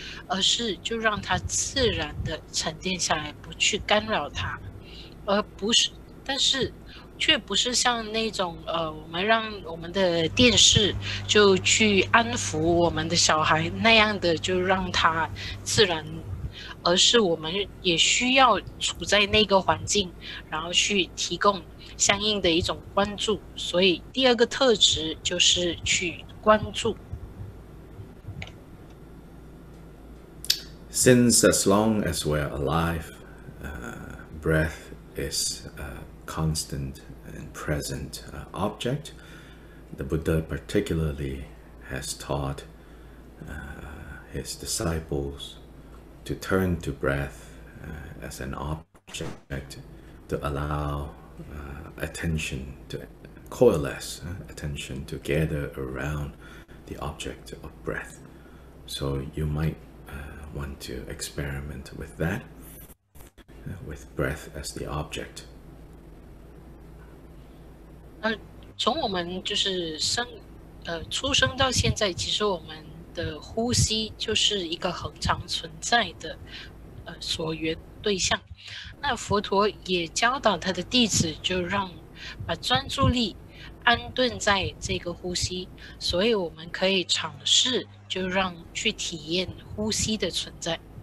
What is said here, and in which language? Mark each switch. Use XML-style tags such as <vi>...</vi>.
<zh>而是就让它自然的沉淀下来，不去干扰它，而不是，但是却不是像那种我们让我们的电视就去安抚我们的小孩那样的，就让它自然，而是我们也需要处在那个环境，然后去提供相应的一种关注。所以第二个特质就是去关注。</zh> <en>Since as long as we're alive, breath is a constant and present object. The Buddha particularly has taught his disciples to turn to breath as an object to allow attention to coalesce, attention to gather around the object of breath. So you might want to experiment with that, with breath as the object.</en> <zh>从我们就是出生到现在，其实我们的呼吸就是一个恒常存在的所缘对象。那佛陀也教导他的弟子，就让把专注力安顿在这个呼吸，所以我们可以尝试就让去体验呼吸的存在。</zh>